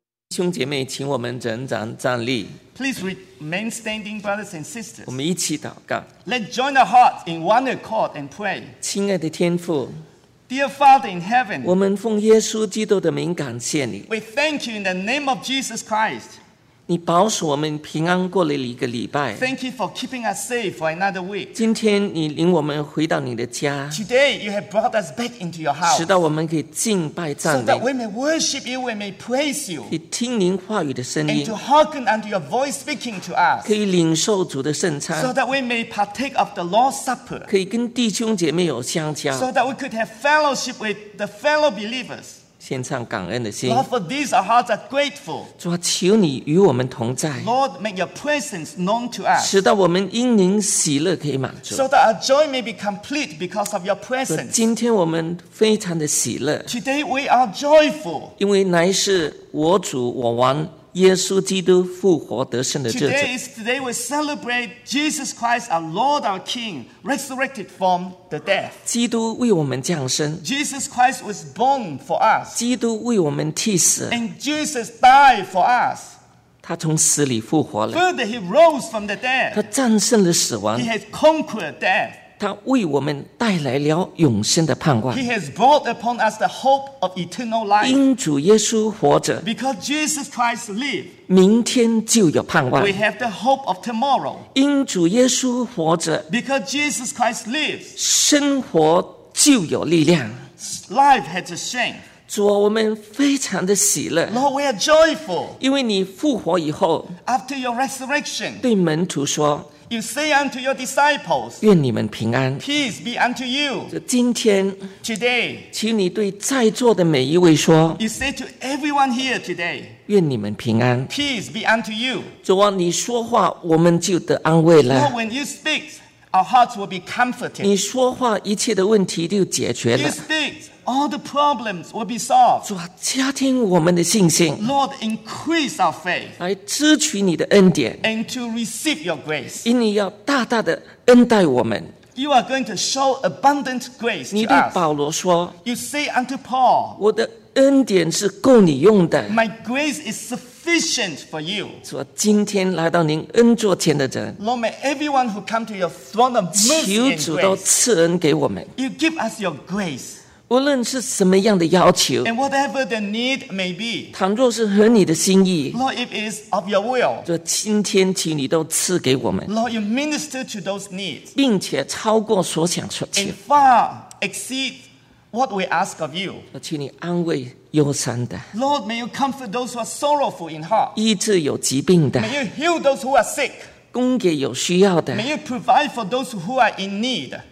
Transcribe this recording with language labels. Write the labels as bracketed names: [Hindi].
[Chinese] 兄姐妹，请我们仍然站立。 [English] Please remain standing, brothers and sisters. [Chinese] 我们一起祷告。 [English] Let's join our hearts in one accord and pray. [Chinese] 亲爱的天父。 [English] Dear Father in heaven, [Chinese] 我们奉耶稣基督的名感谢你。 [English] We thank you in the name of Jesus Christ. [Chinese] 你保守我们平安过了一个礼拜。 [English] Thank you for keeping us safe for another week. [Chinese] 今天你领我们回到你的家。 [English] Today you have brought us back into your house. [Chinese] 使到我们可以敬拜赞美。 [English] So that we may worship you, we may praise you. [Chinese] 可以听您话语的声音。 [English] And to hearken unto your voice speaking to us. [Chinese] 可以领受主的圣餐。 [English] So that we may partake of the Lord's Supper. [Chinese] 可以跟弟兄姐妹有相交。 [English] So that we could have fellowship with the fellow believers. [Chinese] 献上感恩的心。 [English] Lord, for these our hearts are grateful. [Chinese] 主啊，求你与我们同在。 [English] Lord, make your presence known to us. [Chinese] 使到我们因您喜乐可以满足。 [English] So that our joy may be complete because of your presence. [Chinese] 今天我们非常的喜乐。 [English] Today we are joyful. [Chinese] 因为乃是我主我王耶稣基督复活得胜的日子。 [English] Today is today we celebrate Jesus Christ, our Lord, our King, resurrected from the death. [Chinese] 基督为我们降生。 [English] Jesus Christ was born for us. [Chinese] 基督为我们替死。 [English] And Jesus died for us. [Chinese] 他从死里复活了。 [English] Further, he rose from the dead. [Chinese] 他战胜了死亡。 [English] He has conquered death. [Chinese] 他为我们带来了永生的盼望。 [English] He has brought upon us the hope of eternal life. [Chinese] 因主耶稣活着。 [English] Because Jesus Christ lived. [Chinese] 明天就有盼望。 [English] We have the hope of tomorrow. [Chinese] 因主耶稣活着。 [English] Because Jesus Christ lives. [Chinese] 生活就有力量。 [English] Life has a strength. [Chinese] 主啊，我们非常的喜乐。 [English] Lord, we are joyful. [Chinese] 因为你复活以后。 [English] After your resurrection. [Chinese] 对门徒说。 [English] You say unto your disciples, [Chinese] 愿你们平安。 [English] Peace be unto you. [Chinese] 今天 [English] today, [Chinese] 请你对在座的每一位说。 [English] You say to everyone here today, [Chinese] 愿你们平安。 [English] Peace be unto you. [Chinese] 主啊，你说话，我们就得安慰了。 [English] Lord, when you speak, our hearts will be comforted. [Chinese] 你说话，一切的问题就解决了。 [English] You speak, all the problems will be solved. [Chinese] 主啊，加添我们的信心。 [English] Lord, increase our faith. [Chinese] 来支取你的恩典。 [English] And to receive your grace. [Chinese] 因你要大大的恩待我们。 [English] You are going to show abundant grace to us. [Chinese] 你对保罗说。 [English] You say unto Paul. [Chinese] 我的恩典是够你用的。 [English] My grace is sufficient. For you. [Chinese] 主啊，今天来到您恩座前的人， [English] Lord, may everyone who come to your throne of mercy and grace, [Chinese] 求主都赐恩给我们。 [English] You give us your grace. [Chinese] 无论是什么样的要求， [English] and whatever the need may be, [Chinese] 倘若是合你的心意， [English] Lord, if it is of your will, [Chinese] 就今天请你都赐给我们。 [English] Lord, you minister to those needs, [Chinese] 并且超过所想所求， [English] and far exceed what we ask of you. [Chinese] 请你安慰。忧伤的 [English] Lord, may you comfort those who are sorrowful in heart. [Chinese] 医治有疾病的 [English] May you heal those who are sick. [Chinese] 供给有需要的 [English] May you provide for those who are in need.